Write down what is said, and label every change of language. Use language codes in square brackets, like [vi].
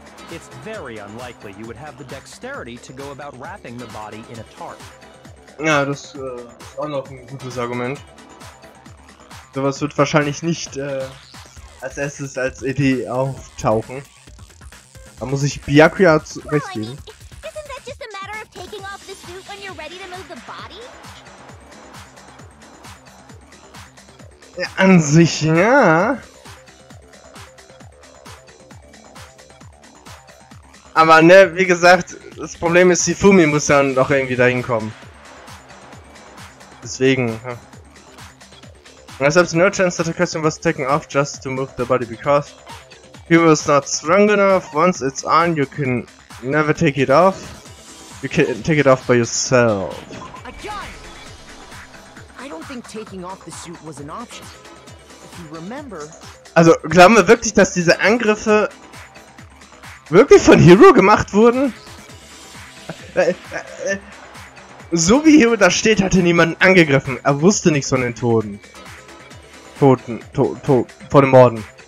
[en] It's very unlikely you would have the dexterity to go about wrapping the body in a tarp. [de] Ja, das ist auch noch ein gutes Argument. Sowas wird wahrscheinlich nicht als erstes als Idee auftauchen. Da muss ich Byakuya recht geben. [en] Isn't that just a matter of taking off the suit when you're ready to move the body? [de] Ja, an sich, ja. Aber ne, wie gesagt, das Problem ist, die Fumi muss dann noch irgendwie dahin kommen. Deswegen. [en] There's no chance that a question was taken off just to move the body because he was not strong enough. Once it's on, you can never take it off. You can take it off by yourself. I don't think taking off the suit was an option. If you remember. [de] Also glauben wir wirklich, dass diese Angriffe wirklich von Hero gemacht wurden? So wie Hero da steht, hatte niemand angegriffen. Er wusste nichts von den Toten. Von den Morden.